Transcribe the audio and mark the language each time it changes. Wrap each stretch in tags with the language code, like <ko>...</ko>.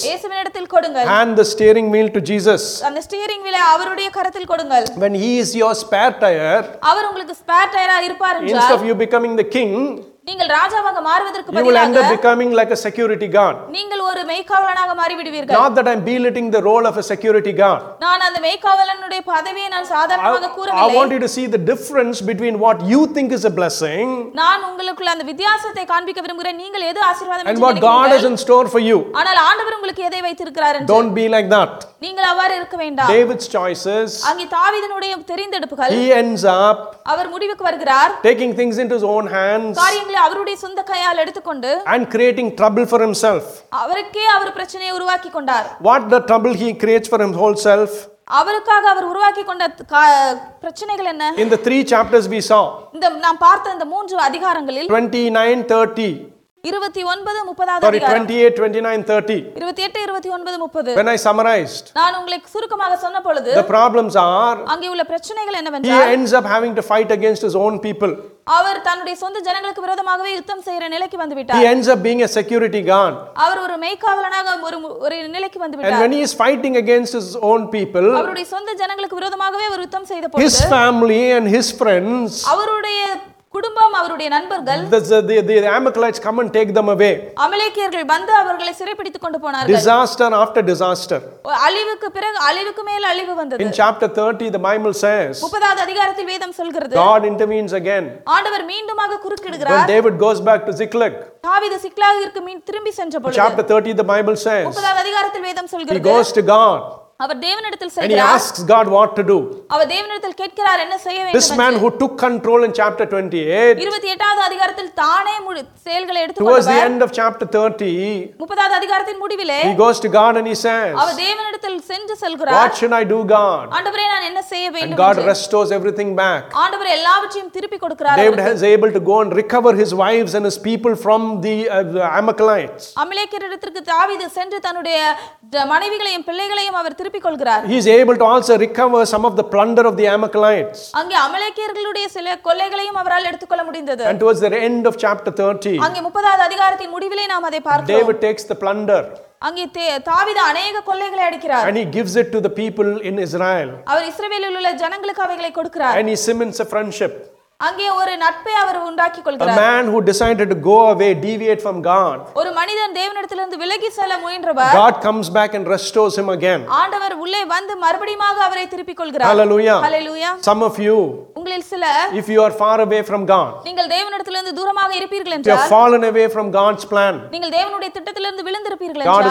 <ta>இயேசுவின் இடத்தில் கொடுங்கள்</ta> <en>hand the steering wheel to Jesus</en> <ta>அந்த ஸ்டீரிங் வீலை அவருடைய கரத்தில் கொடுங்கள்</ta> <en>when he is your spare tire</en> <ta>அவர் உங்களுக்கு ஸ்பேர் டயரா இருப்பார் என்றால்</ta> <en>instead of you becoming the king</en> <ta>நீங்கள் ராஜாவாக மாறுவதற்கு பதிலாக</ta> <en>you will end up becoming like a security guard</en> <ta>நீங்கள் ஒரு மெய்காவலனாக மாறி விடுவீர்கள்</ta> <en>not that I am belittling the role of a security guard</en> <ta>நான் அந்த மெய்காவலனுடைய பதவியை நான் சாதாரணமாக கூறவில்லை</ta> <en>I want you to see the difference between what you think is a blessing</en> <ta>நான் உங்களுக்குள்ள அந்த வித்தியாசத்தை காண்பிக்க விரும்புகிறேன் நீங்கள் எது ஆசீர்வாதம் என்று</ta> <en>and what God has in store for you</en> <ta>ஆனால் ஆண்டவர் உங்களுக்கு எதை வைத்திருக்கிறார் என்று</ta> <en>don't be like that</en> <ta>நீங்கள் அவ்வாறு இருக்க வேண்டாம்</ta> <en>David's choices</en> <ta>அங்கே தாவீதுடைய தேர்ந்தெடுப்புகள்</ta> <en>he ends up</en> <ta>அவர் முடிவுக்கு வருகிறார்</ta> <en>taking things into his own hands</en> <ta>அவருடைய சொந்த கையால் எடுத்துக்கொண்டு</ta> <en>and creating trouble for himself</en> <ta>அவருக்கே அவர் பிரச்சனையை உருவாக்கி கொண்டார்</ta> <en>what the trouble he creates for his whole self</en> <ta>அவருக்காக அவர் உருவாக்கி கொண்ட பிரச்சனைகள் என்ன</ta> <en>in the 3 chapters we saw</en> <ta>இந்த நாம் பார்த்த இந்த 3 அதிகாரங்களில்</ta> <en>29 30 28 29 30 when I summarized</en> <ta>நான் உங்களுக்கு சுருக்கமாக சொன்ன பொழுது</ta> <en>the problems are</en> <ta>அங்கே உள்ள பிரச்சனைகள் என்னவென்றால்</ta> <en>he ends up having to fight against his own people</en> <ta>அவர் தன்னுடைய சொந்த ஜனங்களுக்கு விரோதமாகவே யுத்தம் செய்யற நிலைக்கு வந்து விட்டார்</ta> <en>he ends up being a security guard</en> <ta>அவர் ஒரு மெய்காவலனாக ஒரு நிலைக்கு வந்து விட்டார்</ta> <en>and when he is fighting against his own people</en> <ta>அவருடைய சொந்த ஜனங்களுக்கு விரோதமாகவே அவர் யுத்தம் செய்த பொழுது</ta> <en>his family and his friends</en> <ta>அவருடைய குடும்பம் அவருடைய நண்பர்கள்</ta> <en>the Amalekites come and take them away</en> <ta>அமலேக்கியர்கள் வந்து அவர்களை சிறைப்பிடித்துக் கொண்டு போனார்கள்</ta> <en>disaster after disaster</en> <ta>அழிவுக்கு பிறகு அழிவுக்கு மேல் அழிவு வந்தது</ta> <en>in chapter 30 the bible says</en> <ta>30வது அதிகாரத்தில் வேதம் சொல்கிறது</ta> <en>god intervenes again</en> <ta>ஆண்டவர் மீண்டுமாக குறுக்கிடுகிறார்</ta> <en>when david goes back to ziklag</en> <ta>தாவீது சிக்லாகிற்கு மீண்டும் திரும்பி சென்ற பொழுது</ta> <en>chapter 30 the bible says</en> <ta>30வது அதிகாரத்தில் வேதம் சொல்கிறது</ta> <en>he goes to god</en> <ta>அவர் தேவனிடத்தில் செல்கிறார்</ta> <en>and he asks god what to do</en> <ta>அவர் தேவனிடத்தில் கேட்கிறார் என்ன செய்ய வேண்டும்</ta> <en>this man who took control in chapter 28</en> <ta>28வது அதிகாரத்தில் தானே செயல்களை எடுத்து</ta> <en>towards the end of chapter 30</en> <ta>30வது அதிகாரத்தின் முடிவிலே</ta> <en>he goes to god and he says</en> <ta>அவர் தேவனிடத்தில் சென்று செல்கிறார்</ta> <en>what should I do god</en> <ta>ஆண்டவரே நான் என்ன செய்ய வேண்டும்</ta> <en>and god restores everything back</en> <ta>ஆண்டவர் எல்லாவற்றையும் திருப்பி கொடுக்கிறார்</ta> <en>david has able to go and recover his wives and his people from the amalekites</en> <ta>அமலேக்கியரிடத்திற்கு தாவீது சென்று தன்னுடைய மனைவிகளையும் பிள்ளைகளையும் அவர்</ta> <en>He is able to also recover some of the plunder of the Amalekites.</en> <ta>அங்க அமலேக்கியர்களுடைய சில கொள்ளைகளையும் அவரால் எடுத்துக்கொள்ள முடிந்தது.</ta> <en>And towards the end of chapter 30.</en> <ta>அங்க 30வது அதிகாரத்தின் முடிவிலே நாம் அதை பார்க்கிறோம்.</ta> <en>David takes the plunder.</en> <ta>அங்கே தாவீது அநேக கொள்ளைகளை அடிக்கிறார்.</ta> <en>And he gives it to the people in Israel.</en> <ta>அவர் இஸ்ரவேலில் உள்ள ஜனங்களுக்கு அவைகளை கொடுக்கிறார்.</ta> <en>And he cements a friendship.</en> <ta>அங்கே ஒரு நட்பை அவர் உண்டாக்கி கொள்கிறார்.</ta> <en>A man who decided to go away, deviate from God.</en> <ta>ஒரு மனிதன் தேவனிடத்திலிருந்து விலகி செல்ல முயன்றவர்.</ta> <en>God comes back and restores him again.</en> <ta>ஆண்டவர் உள்ளே வந்து மறுபடியும் அவரை திருப்பி கொள்கிறார்.</ta> <en>Hallelujah. Hallelujah. Some of you.</en> <ta>உங்களில் சிலர்.</ta> <en>If you are far away from God.</en> <ta>நீங்கள் தேவனிடத்திலிருந்து தூரமாக இருப்பீர்கள் என்றால்.</ta> <en>You have fallen away from God's plan.</en> <ta>நீங்கள் தேவனுடைய திட்டத்திலிருந்து விழுந்திருப்பீர்கள் என்றால்.</ta>